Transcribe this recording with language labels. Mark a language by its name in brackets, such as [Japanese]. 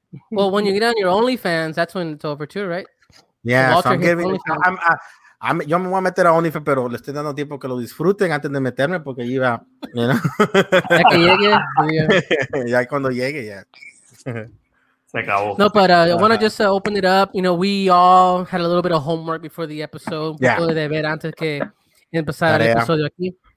[English] Well, when you get on your OnlyFans, that's when it's over too, right? Yeah, so I'm giving [Spanish] yo me voy a meter a OnlyFans, pero le estoy dando tiempo que lo disfruten antes de meterme porque iba, Ya que llegue. Ya cuando llegue, ya. Se acabó. [English] No, but I want to just open it up. You know, we all had a little bit of homework before the episode. Yeah. [Spanish] Un poco de ver antes que empezar el episodio aquí.